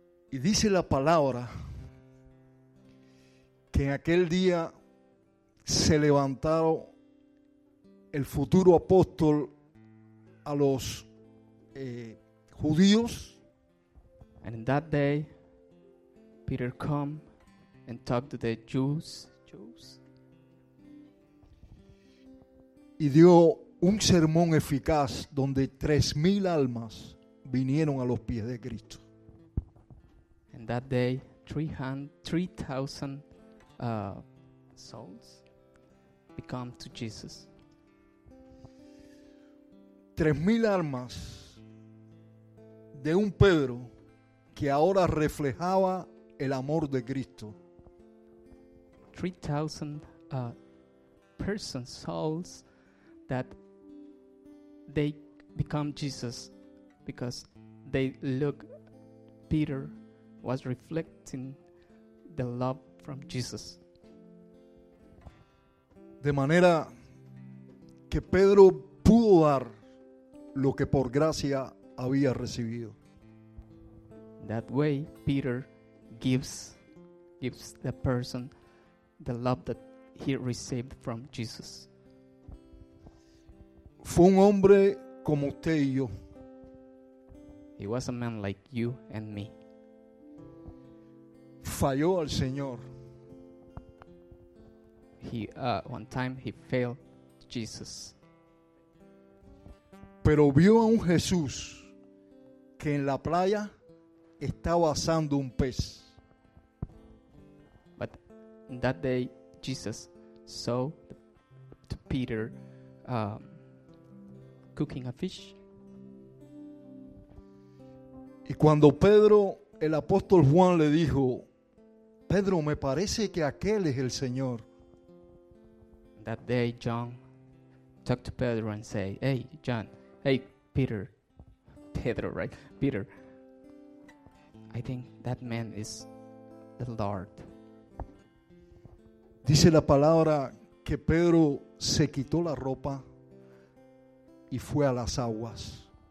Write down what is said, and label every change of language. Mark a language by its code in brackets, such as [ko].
[es] Y dice la palabra que en aquel día se levantaron el futuro apóstol a los judíos. [en] And in that day, Peter come and talked to the Jews. [es] Y dio un sermón eficaz donde 3,000 almas vinieron a los pies de Cristo. [en] In that day, 3,000 souls become to Jesus. [es] 3,000 almas de un Pedro que ahora reflejaba el amor de Cristo. [en] 3,000 persons, souls, that they become Jesus because they look, Peter was reflecting the love from Jesus. [es] De manera que Pedro pudo dar lo que por gracia había recibido. [en] That way, Peter gives the person the love that he received from Jesus. [es] Fue un hombre como usted y yo. [en] He was a man like you and me. [es] Falló al Señor. [en] One time he failed Jesus. [es] Pero vio a un Jesús que en la playa estaba asando un pez. [en] But that day Jesus saw Peter cooking a fish. [es] Y cuando Pedro, el apóstol Juan le dijo, Pedro, me parece que aquel es el Señor. [en] That day John talked to Pedro and said, Peter, I think that man is the Lord. [es] Dice la palabra que Pedro se quitó la ropa y fue a las aguas.